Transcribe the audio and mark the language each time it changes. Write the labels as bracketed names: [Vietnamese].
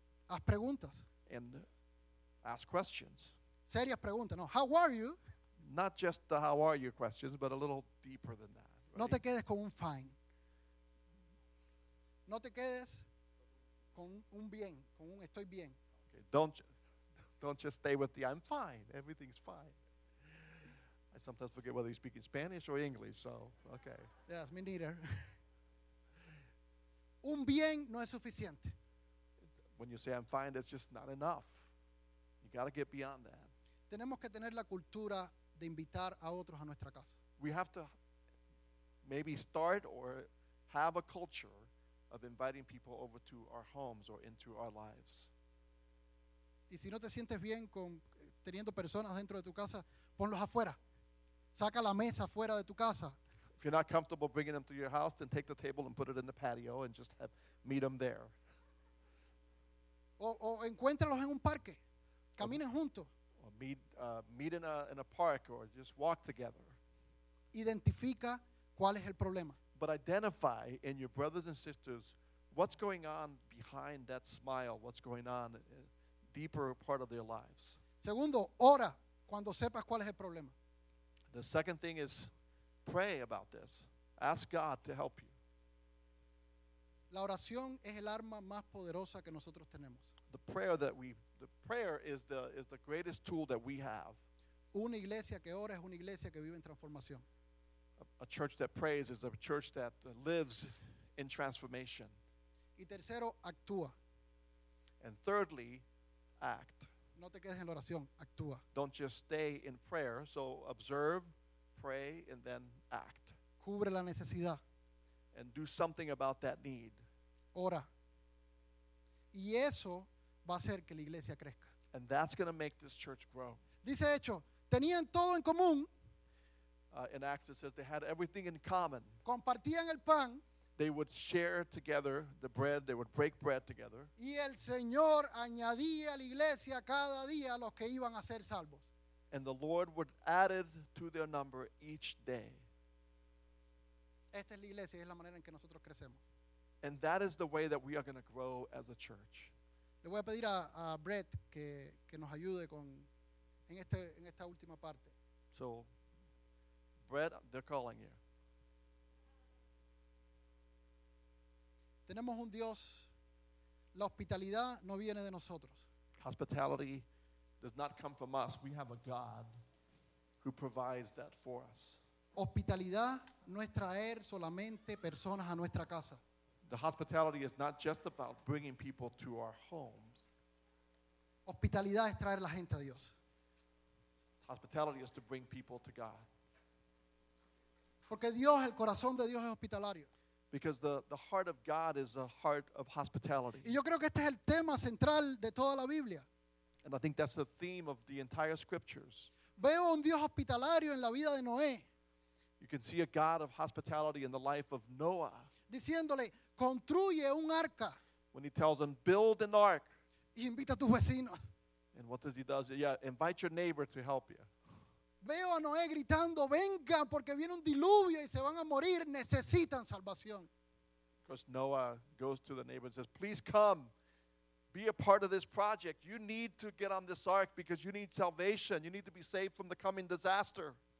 [Spanish] Haz preguntas. [English] And ask questions. [Spanish] Serias preguntas, no. [English] How are you? Not just the how are you questions, but a little deeper than that. [Spanish] No te quedes con un fine. No te quedes con un bien, con un estoy bien. [English] Okay, don't just stay with the I'm fine. Everything's fine. I sometimes forget whether you speak in Spanish or English, so, okay. Yes, me neither. [Spanish] Un bien no es suficiente. [English] When you say I'm fine, it's just not enough. You got to get beyond that. [Spanish] Tenemos que tener la cultura de invitar a otros a nuestra casa. [English] We have to maybe start or have a culture of inviting people over to our homes or into our lives. [Spanish] Y si no te sientes bien con teniendo personas dentro de tu casa, ponlos afuera. Saca la mesa fuera de tu casa. [English] If you're not comfortable bringing them to your house, then take the table and put it in the patio and just meet them there. [Spanish] O encuéntralos en un parque. Caminen juntos. [English] Meet in a park or just walk together. [Spanish] Identifica cuál es el problema. [English] But identify in your brothers and sisters what's going on behind that smile, what's going on deeper part of their lives. [Spanish] Segundo, ora cuando sepas cuál es el problema. [English] The second thing is pray about this. Ask God to help you. [Spanish] La oración es el arma más poderosa que nosotros tenemos. [English] The prayer is the greatest tool that we have. [Spanish] Una iglesia que ora es una iglesia que vive en transformación. [English] A church that prays is a church that lives in transformation. [Spanish] Y tercero, actúa. [English] And thirdly, act. [Spanish] No te quedes en la oración, actúa. [English] Don't just stay in prayer, so observe, pray, and then act. [Spanish] Cubre la necesidad. [English] And do something about that need. [Spanish] Ora. Y eso va a hacer que la iglesia crezca. [English] And that's going to make this church grow. [Spanish] Dice hecho, tenían todo en común. [English] In Acts it says they had everything in common. [Spanish] Compartían el pan. [English] They would share together the bread. They would break bread together. [Spanish] Y el Señor añadía a la iglesia cada día los que iban a ser salvos. [English] And the Lord would add to their number each day. [Spanish] Esta es la iglesia, es la manera en que nosotros crecemos. [English] And that is the way that we are going to grow as a church. [Spanish] Le voy a pedir a Brett que nos ayude con en esta última parte. [English] So, Brett, they're calling you. [Spanish] Tenemos un Dios. La hospitalidad no viene de nosotros. [English] Hospitality does not come from us. We have a God who provides that for us. [Spanish] Hospitalidad no es traer solamente personas a nuestra casa. [English] The hospitality is not just about bringing people to our homes. [Spanish] Hospitalidad es traer la gente a Dios. [English] Hospitality is to bring people to God. [Spanish] Porque Dios, el corazón de Dios es hospitalario. [English] Because the heart of God is a heart of hospitality. [Spanish] Y yo creo que este es el tema central de toda la Biblia. [English] And I think that's the theme of the entire scriptures. [Spanish] Veo un Dios hospitalario en la vida de Noé. [English] You can see a God of hospitality in the life of Noah. [Spanish] Diciéndole, construye un arca. [English] When he tells him, build an ark. [Spanish] Y invita a tus vecinos. [English] And what does he do? Yeah, invite your neighbor to help you. [Spanish] Veo a Noé gritando, venga, porque viene un diluvio y se van a morir, necesitan salvación. [English] Because Noah goes to the neighbor and says, please come. Be a part of this project. You need to get on this ark because you need salvation. You need to be saved from the coming disaster.